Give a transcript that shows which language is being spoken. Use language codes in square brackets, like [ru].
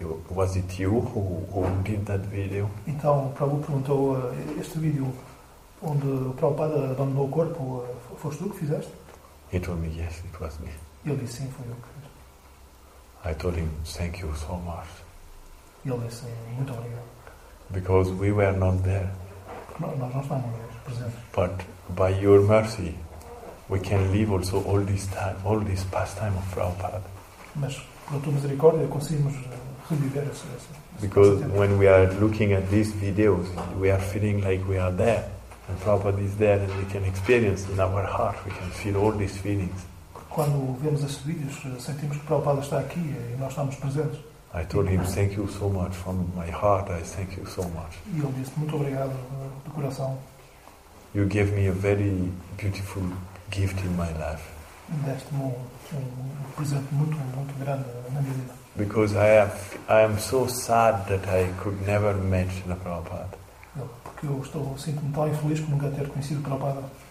[en] Was it you who did that video? [pt] Então, o Prabhupada perguntou, este vídeo onde o Prabhupada abandonou o corpo, foste tu que fizeste? [en] He told me, yes, it was me. [pt] Ele disse, sim, foi eu que fiz. [en] I told him, thank you so much. [pt] Ele disse, muito obrigado. [en] Because we were not there. [pt] Nós não estávamos presentes. [en] But by your mercy, we can live also all this time, all this pastime of Prabhupada. [pt] Mas por tua misericórdia conseguimos reviver isso. [en] Because when we are looking at these videos, we are feeling like we are there, and Prabhupada is there, and we can experience in our heart, we can feel all these feelings. [pt] Quando vemos esses vídeos, sentimos que Prabhupada está aqui e nós estamos presentes. [en] I told him, thank you so much from my heart. I thank you so much. [pt] E ele disse, muito obrigado do coração. [en] You gave me a very beautiful gift in my life. [pt] Deste-me um presente muito, muito grande na minha vida. [en] Because I am so sad that I could never meet the Prabhupada. [pt] Porque eu estou sinto-me tão infeliz por nunca ter conhecido Prabhupada.